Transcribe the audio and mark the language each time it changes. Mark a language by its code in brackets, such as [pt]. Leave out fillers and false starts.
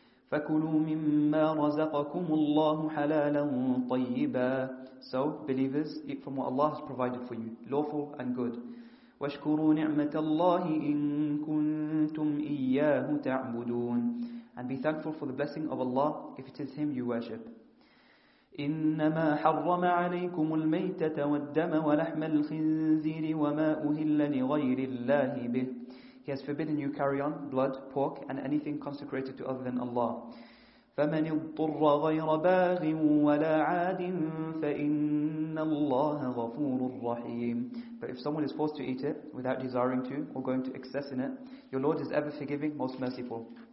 [ar] فَكُلُوا مِمَّا رَزَقَكُمُ اللَّهُ حَلَالًا طَيِّبًا. [en] So, believers, eat from what Allah has provided for you, lawful and good. [ar] وَاشْكُرُوا نِعْمَةَ اللَّهِ إِن كُنْتُمْ إِيَّاهُ تَعْبُدُونَ. [en] And be thankful for the blessing of Allah, if it is Him you worship. [ar] إنما حرم عليكم الميتة والدم ولحم الخنزير وما أهل لغير الله به. [en] He has forbidden you carrion, blood, pork, and anything consecrated to other than Allah. [ar] فَمَنِ اضْطُرَّ غَيْرَ بَاغٍ وَلَا عَادٍ فَإِنَّ اللَّهَ غَفُورٌ رَحِيمٌ. [en] But if someone is forced to eat it without desiring to or going to excess in it, your Lord is ever forgiving, most merciful.